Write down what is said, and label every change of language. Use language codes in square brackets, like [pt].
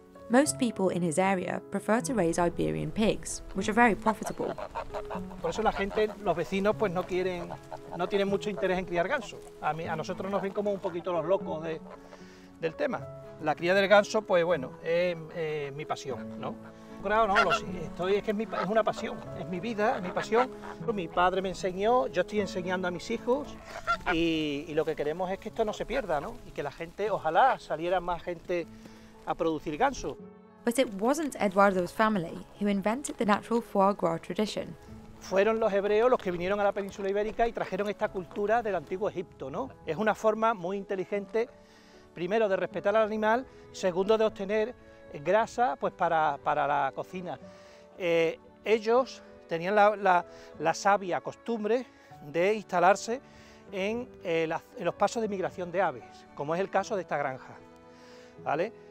[en] Most people in his area prefer to raise Iberian pigs, which are very profitable. [es] Por eso la gente, los vecinos, pues no quieren, no tienen mucho interés en criar ganso. A nosotros nos ven como un poquito los locos del tema. La cría del ganso, pues bueno, es mi pasión, ¿no? Claro, no, lo sé. Es una pasión, es mi vida, es mi pasión. Mi padre me enseñó, yo estoy enseñando a mis hijos y lo que queremos es que esto no se pierda, ¿no? Y que la gente, ojalá, saliera más gente a producir ganso. [en] But it wasn't Eduardo's family who invented the natural foie gras tradition. [es] Fueron los hebreos los que vinieron a la península ibérica y trajeron esta cultura del antiguo Egipto, ¿no? Es una forma muy inteligente, primero, de respetar al animal, segundo, de obtener grasa pues para la cocina. Ellos tenían la sabia costumbre de instalarse en los pasos de migración de aves, como es el caso de esta granja, ¿vale?